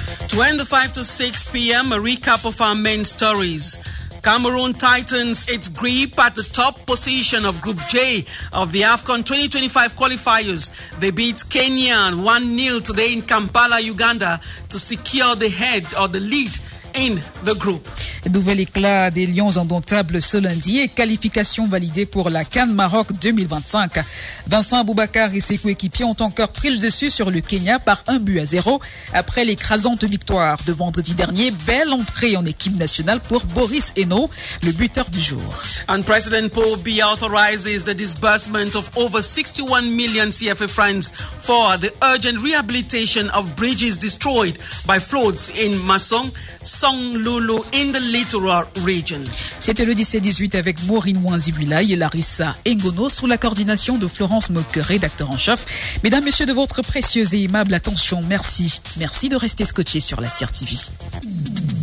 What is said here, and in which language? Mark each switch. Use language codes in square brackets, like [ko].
[en] To end the 5 to 6 p.m., a recap of our main stories. Cameroon tightens its grip at the top position of Group J of the AFCON 2025 qualifiers. They beat Kenya 1-0 today in Kampala, Uganda, to secure the head or the lead in the group. [fr] Nouvel éclat des Lions indomptables ce lundi et qualification validée pour la CAN Maroc 2025. Vincent Aboubakar et ses coéquipiers ont encore pris le dessus sur le Kenya par 1-0 après l'écrasante victoire de vendredi dernier. Belle entrée en équipe nationale pour Boris Eno, le buteur du jour. [en] And President Paul Bi authorizes the disbursement of over 61 million CFA francs for the urgent rehabilitation of bridges destroyed by floods in Masong, Songlulu in the littoral region. [fr] C'était le 17-18 avec Maureen Wanzibulaï et Larissa Engono sous la coordination de Florence Moque, rédacteur en chef. Mesdames, messieurs, de votre précieuse et aimable attention, merci. Merci de rester scotché sur la CIRTV.